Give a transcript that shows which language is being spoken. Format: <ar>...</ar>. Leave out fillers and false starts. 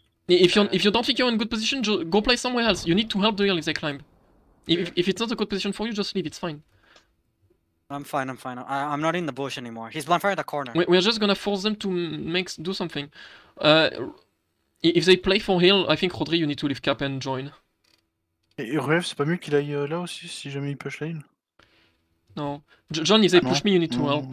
<en>If you don't think you're in good position, go play somewhere else. You need to help the hill if they climb. If it's not a good position for you, just leave. It's fine. I'm fine. I'm not in the bush anymore. He's blind fire at the corner. We're just gonna force them to do something. If they play for hill, I think Rodri, you need to leave cap and join.</en> <fr>Et Ruev, c'est pas mieux qu'il aille là aussi si jamais il push lane.</fr> <en>No, John, if they push me, you need to help.</en>